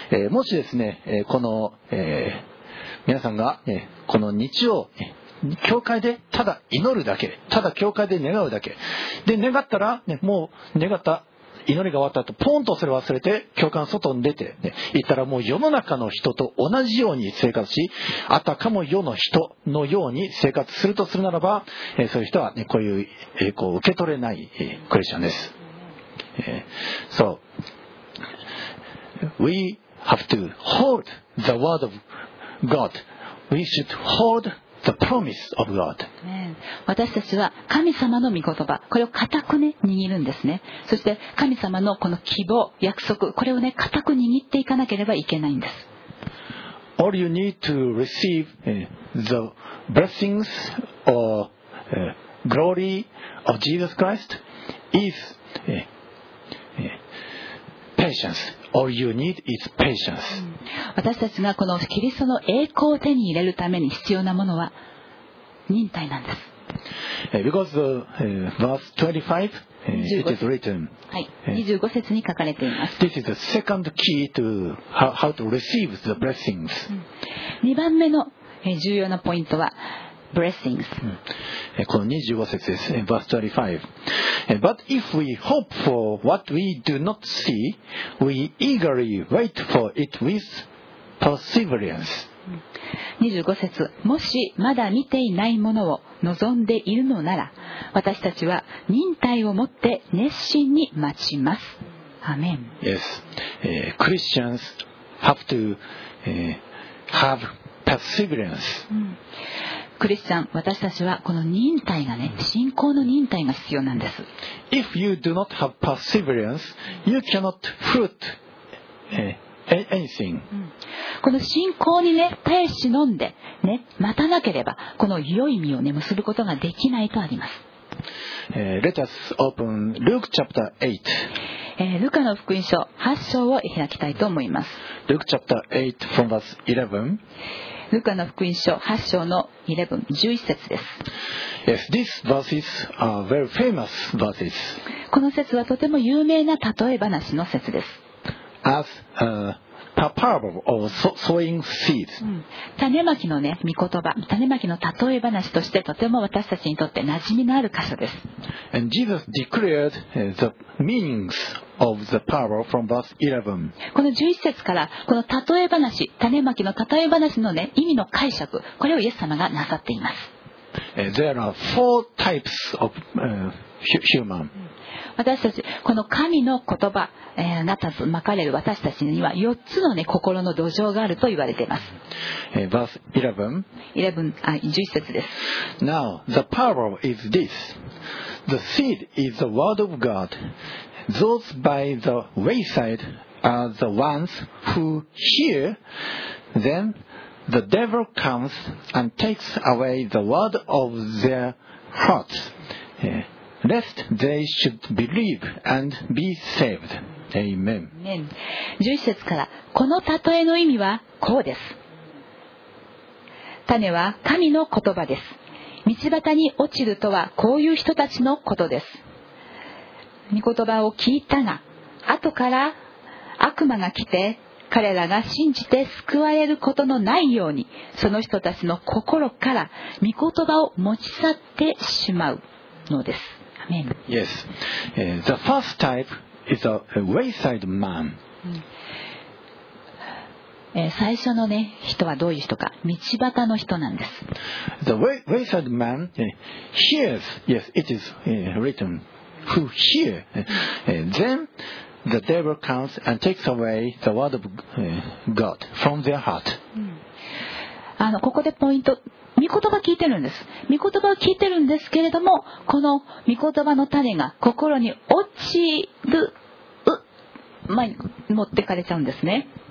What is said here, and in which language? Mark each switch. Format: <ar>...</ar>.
<ja>もしですね、この皆さんがこの日曜教会でただ祈るだけ、ただ教会で願うだけで願ったら、ね、もう願った祈りが終わった後ポンとそれ忘れて教会の外に出て、ね、行ったらもう世の中の人と同じように生活し、あたかも世の人のように生活するとするならば、そういう人は、ね、こういう栄光を受け取れないクリスチャンです。そう、</ja> <en>so, we have to hold the word of God. We should hold the promise of God.</en> <ja>私たちは神様の御言葉、これを固く、ね、握るんですね。そして神様のこの希望、約束、これを、ね、固く握っていかなければいけないんです。</ja> <en>All you need to receive the blessings or glory of Jesus Christ is patience. All you need is patience.</en> <ja>私たちがこのキリストの栄光を手に入れるために必要なものは忍耐なんです。</ja> <en>Because verse 25, it is written.</en> <ja>はい、25節に書かれています。</ja> <en>This is the second key to how to receive the blessings.</en> <ja>2番目の重要なポイントは、blessings。この25節です。</ja> <en>verse 25. But if we hope for what we do not see, we eagerly wait for it with perseverance.</en> <ja>25節、もしまだ見ていないものを望んでいるのなら、私たちは忍耐をもって熱心に待ちます。アメン。</ja> <en>Yes. Christians have to have perseverance.</en> <ja>クリスチャン、私たちはこの忍耐がね、信仰の忍耐が必要なんです。</ja> <en>If you do not have perseverance, you cannot fruit anything.</en> <ja>この信仰にね、耐え忍んで、ね、待たなければ、この良い実をね、結ぶことができないとあります。</ja> <en>Let us open Luke chapter 8.</en> <ja>ルカの福音書8章を開きたいと思います。</ja> <en>Luke chapter 8 from verse 11.</en> <ja>ルカの福音書8章の11、11節です。</ja> <en>Yes, these verses are very famous verses.</en> <ja>この節はとても有名な例え話の節です。</ja> <en>As a parable of sowing seeds.</en> <ja>種まきのね、御言葉、種まきの例え話としてとても私たちにとって馴染みのある箇所です。</ja> <en>And Jesus declared the meaningsOf the parable from verse 11.</en> <ja>この11節からこの例え話、種まきの例え話の、ね、意味の解釈、これをイエス様がなさっています。</ja> <en>There are four types of human.</en> <ja>私たち、この神の言葉、なたずまかれる私たちには4つの、ね、心の土壌があると言われています。</ja> <en>Verse</en> <ja>11, 11節です。</ja> <en>Now the parable is this. The seed is the word of GodThose by the wayside are the ones who hear. Then the devil comes and takes away the word of their hearts, lest they should believe and be saved. Amen.</en> <ja>11節から、この例えの意味はこうです。種は神の言葉です。道端に落ちるとはこういう人たちのことです。御言葉を聞いたが、後から悪魔が来て、彼らが信じて救われることのないように、その人たちの心から御言葉を持ち去ってしまうのです。アメン。</ja> <en>Yes. The first type is a wayside man.</en> <ja>最初の、ね、人はどういう人か、道端の人なんです。</ja> <en>The wayside man hears. Yes, it is written. Who hear? Then the devil comes and takes away the word of God from their heart.</en> <ja>ここでポイント、御言葉聞いてるんです。御言葉聞いてるんですけれども、この御言葉の種が心に落ちる前に持ってかれちゃうんですね。</ja>